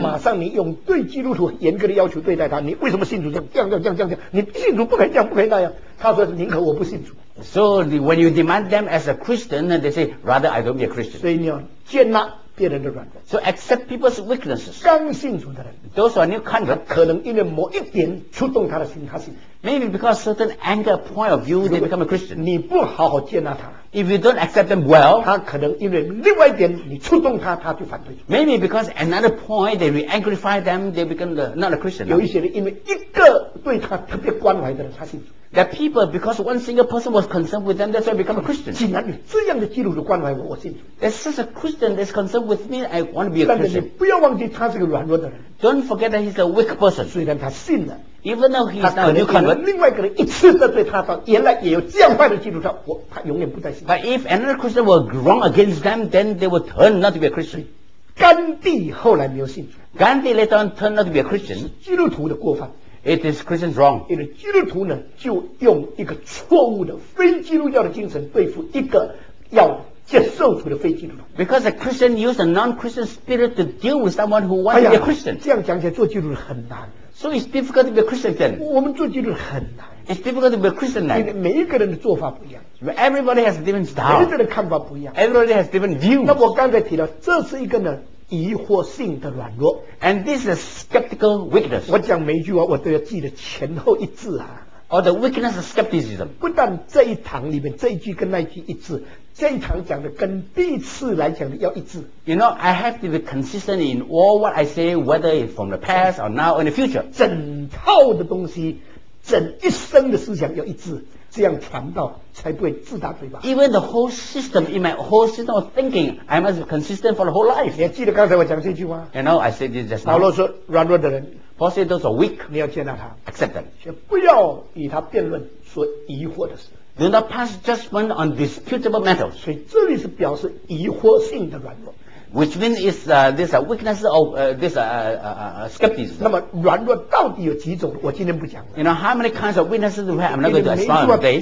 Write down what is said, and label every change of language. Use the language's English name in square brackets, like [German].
[Chinese] 马上你用对基督徒严格的要求对待他，你为什么信主这样这样这样这样？你信主不可以这样，不可以那样。他说宁可我不信主。 [English] So when you demand them as a Christian, they say rather I don't be a Christian. [Chinese] 所以你要接纳别人的软弱。 [English] So accept people's weaknesses. [Chinese] 刚信主的人，都是 [English] new convert, [Chinese] 可能因为某一点触动他的心，他信。 [English] Maybe because certain anger point of view, they become a Christian. [Chinese] 你不好好接纳他。 [English] If you don't accept them well, [Chinese] 他可能因为另外一点你触动他，他就反对。 [English] Maybe because another point they re-angrify them, they become the, not a Christian. [Chinese] 有一些人因为一个对他特别关怀的人，他信主。 [English] That people because one single person was concerned with them, that's why become a Christian. [Chinese] 既然有这样的基督徒关怀我，我信主。 [English] There's such a Christian that's concerned with me. I want to be a Christian. [Chinese] 但是你不要忘记他是个软弱的人。 [English] Don't forget that he's a weak person. [Chinese] 虽然他信了。 [English] Even though he is now a new convert, [Chinese] 另外一个人一次得罪他，到原来也有这样坏的基督徒，我他永远不再信。 [English] But if another Christian were wrong against them, then they would turn not to be a Christian. [Chinese] 甘地后来没有信主。 [English] Gandhi later on turned not to be a Christian. [Chinese] 是基督徒的过犯。 [English] It is Christian's wrong. [Chinese] 因为基督徒呢，就用一个错误的非基督教的精神对付一个要接受主的非基督徒。 [English] Because a Christian used a non-Christian spirit to deal with someone who wants to be a Christian. [Chinese] 这样讲起来，做基督徒很难。 [English] So it's difficult to be a Christian then. [Chinese] 我们做基督徒很难。 [English] It's difficult to be a Christian then. [Chinese] 因为每一个人的做法不一样。 [English] Everybody has a different style. [Chinese] 每一个人的看法不一样。 [English] Everybody has different views. [Chinese] 那我刚才提到，这是一个呢疑惑性的软弱。 [English] And this is skeptical weakness. [Chinese] 我讲每一句话，我都要记得前后一致啊。 [English] Or the weakness of skepticism. [Chinese] 不但这一堂里面这一句跟那一句一致，这一堂讲的跟第一次来讲的要一致。 [English] You know, I have to be consistent in all what I say, whether it's from the past or now or in the future. [Chinese] 整套的东西，整一生的思想要一致，这样传道才不会自打嘴巴。 [English] Even the whole system, in my whole system of thinking, I must be consistent for the whole life. [Chinese] 你还记得刚才我讲这句话？ [English] You know, I said this just now. [Chinese] 保罗说，软弱的人。 [English] Paul said those are weak. [Chinese] 你要接纳他。 [English] Accept them. [Chinese] 却不要与他辩论说疑惑的事。 [English] Do not pass judgment on disputable matters. [Chinese] 所以这里是表示疑惑性的软弱。 [English] Which means is this a weakness of skepticism. [Chinese] 那么软弱到底有几种？我今天不讲了。 [English] You know how many kinds of weaknesses we have? I'm not going to explain today.